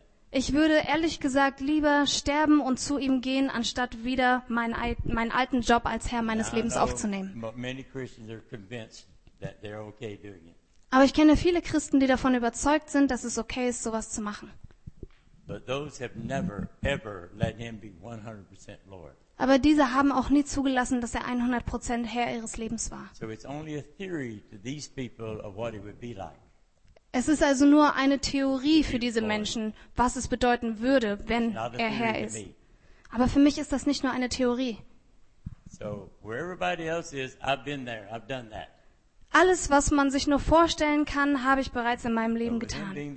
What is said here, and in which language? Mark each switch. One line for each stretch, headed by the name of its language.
German: Ich würde ehrlich gesagt lieber sterben und zu ihm gehen, anstatt wieder meinen alten Job als Herr meines Lebens aufzunehmen.
English: Many Christians are convinced that they're okay doing it.
German: Aber ich kenne viele Christen, die davon überzeugt sind, dass es okay ist, sowas zu machen.
English: But those have never, ever let him be 100% Lord.
German: Aber diese haben auch nie zugelassen, dass er 100% Herr ihres Lebens war.
English: So it's only a theory to these people of what it would be like.
German: Es ist also nur eine Theorie für diese Menschen, was es bedeuten würde, wenn er Herr ist. Aber für mich ist das nicht nur eine Theorie.
English: So where everybody else is, I've been there, I've done that.
German: Alles, was man sich nur vorstellen kann, habe ich bereits in meinem Leben getan.